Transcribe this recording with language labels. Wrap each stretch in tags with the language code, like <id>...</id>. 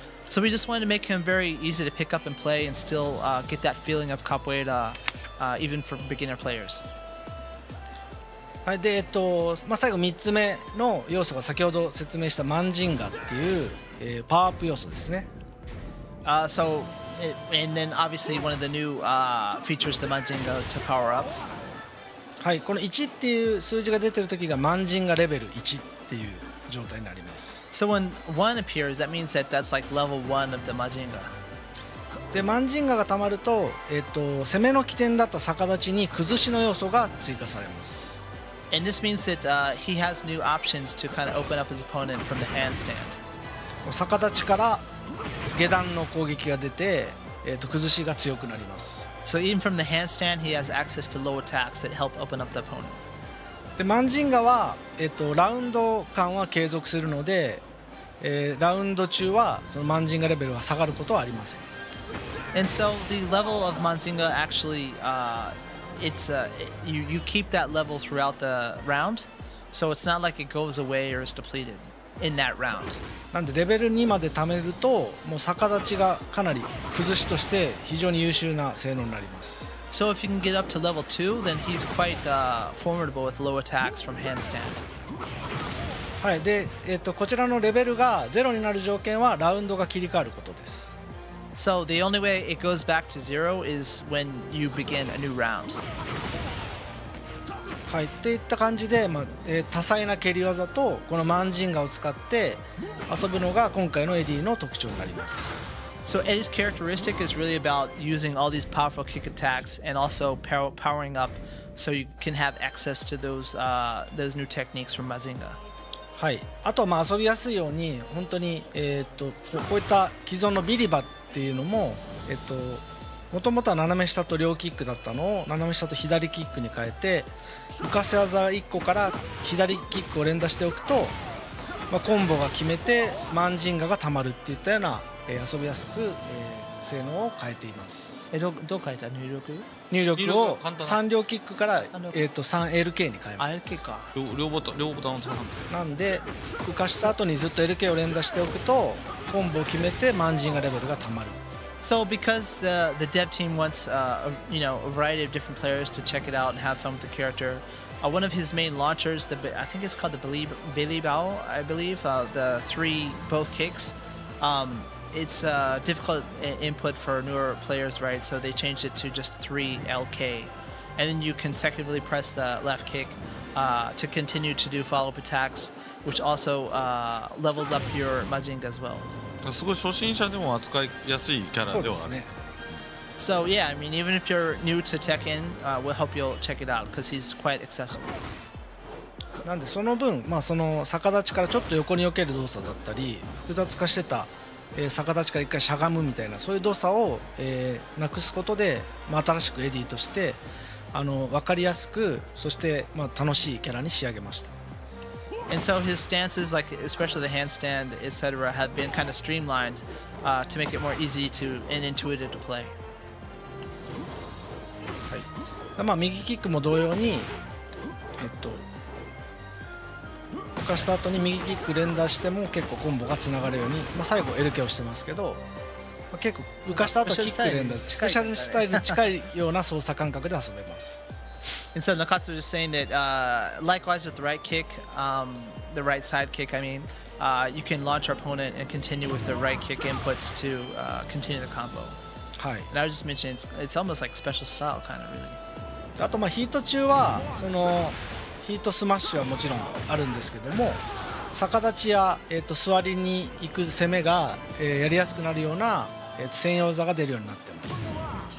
<en>So we just wanted to make him very easy to pick up and play and still get that feeling of capoeira even for beginner players.</en> <ja>はい、で、まあ、最後3つ目の要素が先ほど説明したマンジンガっていう、パワーアップ要素ですね。</ja> <en>So, and then obviously one of the new features, the マンジンガ to power up.</en> <ja>はい、この1っていう数字が出てる時がマンジンガレベル1っていう状態になります。</ja> <en>So when 1 appears, that means that that's like level 1 of the マンジンガ。</en> <ja>で、マンジンガが溜まると、攻めの起点だった逆立ちに崩しの要素が追加されます。</ja> <en>And this means that he has new options to kind of open up his opponent from the handstand.</en> <ja>逆立ちから下段の攻撃が出て、崩しが強くなります。</ja> <en>So even from the handstand, he has access to low attacks that help open up the opponent.</en> <ja>で、マンジンガは、ラウンド間は継続するので、ラウンド中はそのマンジンガレベルは下がることはありません。</ja> <en>And so the level of マンジンガ actually It's you keep that level throughout the round, so it's not like it goes away or is depleted in that round.</en> <ja>なんでレベル2まで貯めるともう逆立ちがかなり崩しとして非常に優秀な性能になります。</ja> <en>So if you can get up to level 2, then he's quite formidable with low attacks from handstand.</en> <ja>はい、で、こちらのレベルが0になる条件はラウンドが切り替わることです。</ja> <en>So the only way it goes back to zero is when you begin a new round.</en> <ja>はい、っていった感じで、まあ、多彩な蹴り技とこのマンジンガを使って遊ぶのが今回のエディの特徴になります。</ja> <en>So Eddie's characteristic is really about using all these powerful kick attacks and also powering up so you can have access to those new techniques from Mazinga.</en> <ja>はい、あとはまあ遊びやすいように本当に、こういった既存のビリバっていうのも、もともとは斜め下と両キックだったのを斜め下と左キックに変えて浮かせ技1個から左キックを連打しておくと、まあ、コンボが決めてマンジンガがたまるっていったような、遊びやすく、性能を変えています。どう変えた？入力？入力を3両キックから 3LK に変えます。 LK か、両ボタン、両ボタンを使う。なんで浮かした後にずっと LK を連打しておくとコンボを決めてマンジンガレベルがたまる。</ja> <en>So because the dev team wants you know, a variety of different players to check it out and have fun with the character, one of his main launchers, I think it's called the Bilibao, I believe, the three both kicks, It's a difficult input for newer players, right? So they changed it to just 3LK. And then you consecutively press the left kick to continue to do follow-up attacks, which also levels up your Mazinga as well.</en> <ja>すごい初心者でも扱いやすいキャラではある。</ja> <en>So yeah, I mean, even if you're new to Tekken, we'll help you check it out because he's quite accessible.</en> <ja>なんでその分、まあその逆立ちからちょっと横に避ける動作だったり、複雑化してた逆立ちから一回しゃがむみたいなそういう動作を、なくすことで、まあ、新しくエディとして分かりやすくそして、まあ、楽しいキャラに仕上げました。</ja> <en>And so his stances, like especially the handstand, etc., have been kind of streamlined to make it more easy to and intuitive to play.</en> <ja>はい。まあ、右キックも同様に、動かした後に右キック連打しても結構コンボがつながるように、まあ、最後 LK をしてますけど、まあ、結構動かした後キック連打、スペシャルスタイルに近いような操作感覚で遊べます。</ja> <en>And so Nakatsu was just saying that likewise with the right kick, the right side kick, I mean, you can launch our opponent and continue with the right kick inputs to continue the combo. And I was just mentioning it's almost like special style kind of really.</en> <ja>あとまあヒート中はそのヒートスマッシュはもちろんあるんですけども、逆立ちや座りに行く攻めがやりやすくなるような専用技が出るようになってます。</ja>